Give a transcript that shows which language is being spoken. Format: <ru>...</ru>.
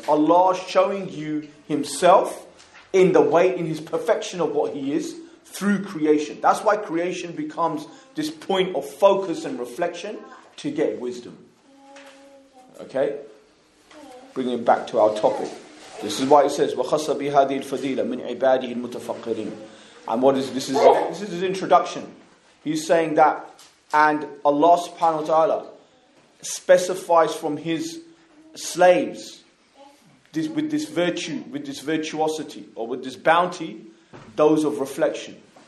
<en>It's Allah showing you himself in the way, in his perfection of what he is, through creation. That's why creation becomes this point of focus and reflection to get wisdom. Okay? Bringing it back to our topic. This is why it says,</en> <ar>وَخَصَّ بِهَذِي الْفَضِيلَ مِنْ عِبَادِهِ الْمُتَفَقِّرِينَ.</ar> <en>And what is this? This is his introduction. He's saying that, and Allah subhanahu wa ta'ala specifies from his slaves this, with this virtue, with this virtuosity, or with this bounty, those of reflection.</en>